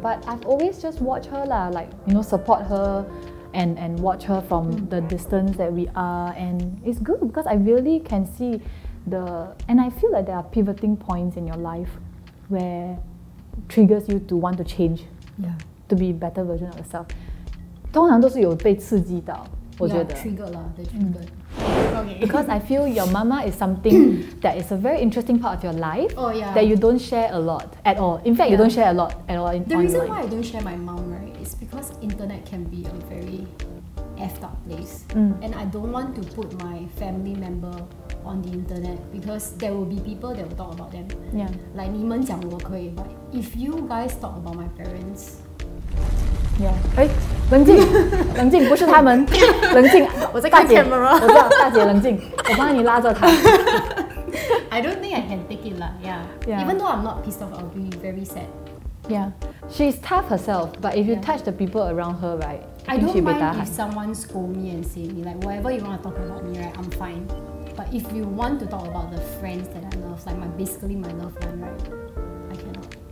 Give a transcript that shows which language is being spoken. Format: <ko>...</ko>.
<en>But I've always just watched her, like, you know, support her and watch her from the distance that we are. And it's good because I really can see the... And I feel like there are pivoting points in your life where triggers you to want to change. Yeah. To be a better version of yourself.</en> <zh>通常都是有被刺激到, 我觉得.</zh> <en>Yeah, triggered lah, they're triggered. Okay. Because I feel your mama is something that is a very interesting part of your life. Oh yeah. That you don't share a lot at all. In fact, you don't share a lot at all. The reason why I don't share my mom, right, is because internet can be a very effed up place. And I don't want to put my family member on the internet because there will be people that will talk about them. Yeah. Like,</en> <zh>你们讲我可以,</zh> <en>but if you guys talk about my parents, yeah.</en> <zh>欸, 冷靜, 冷靜, 不是他們, 冷靜, 我在看 camera. 我知道,大姐, 冷靜, 我幫你拉著她。</zh> <en>I don't think I can take it lah, yeah. Even though I'm not pissed off, I'll be very sad. Yeah. She's tough herself, but if you touch the people around her, right? I don't mind if someone scold me and say me, like, whatever you want to talk about me, right, I'm fine. But if you want to talk about the friends that I love, like my basically my loved one, right, I cannot.</en>